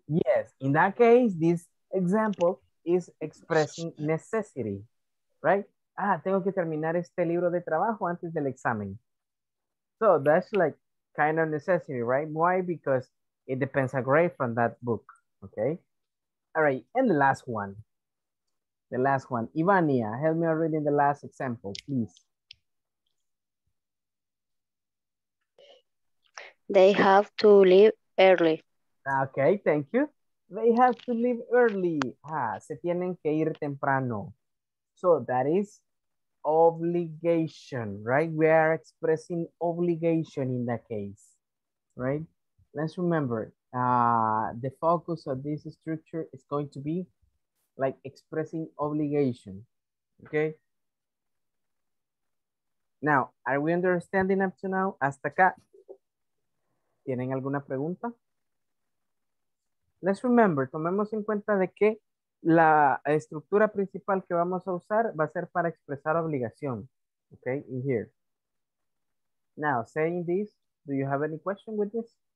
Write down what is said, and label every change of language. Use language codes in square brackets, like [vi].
[en] Yes, in that case, this example is expressing necessity, right? [es] Ah, tengo que terminar este libro de trabajo antes del examen. [en] So that's like kind of necessity, right? Why? Because it depends a grade from that book, okay? All right, and the last one. The last one. Ivania, help me reading the last example, please. They have to leave early. Okay, thank you. They have to leave early. [es] Ah, se tienen que ir temprano. [en] So that is obligation, right? We are expressing obligation in that case, right? Let's remember, the focus of this structure is going to be like expressing obligation, okay? Now, are we understanding up to now? [es] Hasta acá. ¿Tienen alguna pregunta? [en] Let's remember, [es] tomemos en cuenta de que la estructura principal que vamos a usar va a ser para expresar obligación, okay? [en] In here. Now, saying this, do you have any question with this?